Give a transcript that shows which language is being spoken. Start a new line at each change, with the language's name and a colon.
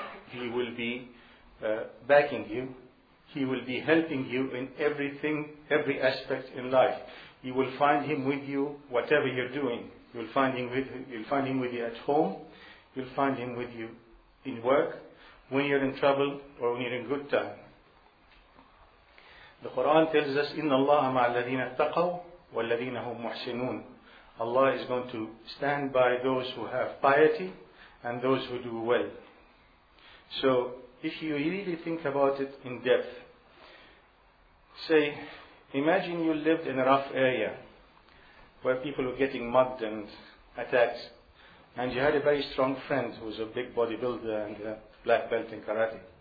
English: He will be backing you. He will be helping you in everything, every aspect in life. You will find him with you whatever you're doing. You'll find him with you at home. You'll find him with you in work, when you're in trouble or when you're in good time. The Quran tells us,
Arabic: إِنَّ اللَّهَ مَعَ الَّذِينَ اتَّقَوْا وَالَّذِينَ هُمْ مُحْسِنُونَ.
English: Allah is going to stand by those who have piety and those who do well. So if you really think about it in depth, say, imagine you lived in a rough area where people were getting mugged and attacked, and you had a very strong friend who was a big bodybuilder and a black belt in karate.